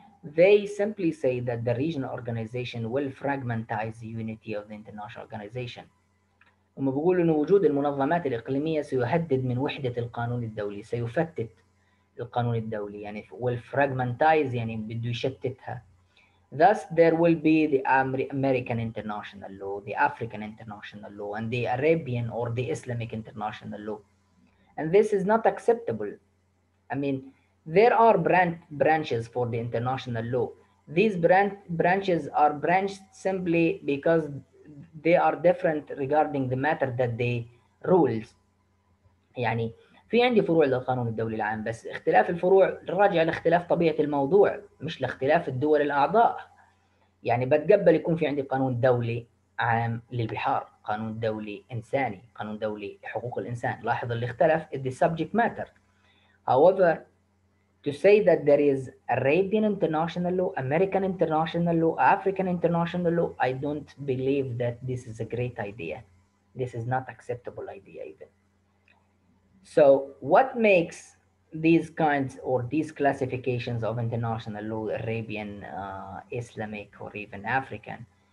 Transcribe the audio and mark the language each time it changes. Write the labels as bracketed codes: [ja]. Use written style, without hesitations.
[en] They simply say that the regional organization will fragmentize the unity of the international organization. [ar] هم بيقولوا إن وجود المنظمات الإقليمية سيهدد من وحدة القانون الدولي، سيفتت القانون الدولي، يعني [en] will fragmentize [ar] يعني بده يشتتها. [en] Thus there will be the American international law, the African international law, and the Arabian or the Islamic international law. And this is not acceptable. I mean, there are branches for the international law. These branches are branched simply because they are different regarding the matter that they rules. [ar] يعني في عندي فروع للقانون الدولي العام، بس اختلاف الفروع راجع لاختلاف طبيعة الموضوع مش لاختلاف الدول الأعضاء. يعني بتقبل يكون في عندي قانون دولي عام للبحار، قانون دولي إنساني، قانون دولي لحقوق الإنسان. لاحظ اللي اختلف [en] the subject matter. However, to say that there is Arabian international law, American international law, African international law, I don't believe that this is a great idea. This is not acceptable idea even. So what makes these kinds or these classifications of international law, Arabian, Islamic, or even African?